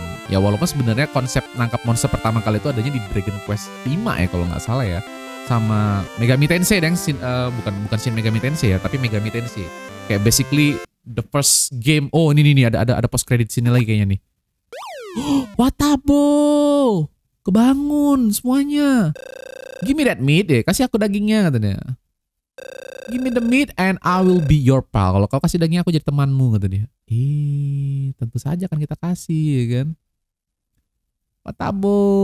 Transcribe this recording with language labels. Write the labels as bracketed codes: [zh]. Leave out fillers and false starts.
[id] Ya walaupun sebenarnya konsep nangkap monster pertama kali itu adanya di Dragon Quest 5 ya kalau nggak salah ya, sama Megami Tensei dan bukan Shin Megami Tensei ya, tapi Megami Tensei. Kayak [en] basically the first game. [id] Oh, ini ada post credit scene lagi kayaknya nih. Watabo, kebangun semuanya. [en] Give me that meat [id] deh, kasih aku dagingnya katanya. [en] Give me the meat and I will be your pal. [id] Kalau kau kasih dagingnya, aku jadi temanmu katanya. Tentu saja kan kita kasih ya kan. Watabo.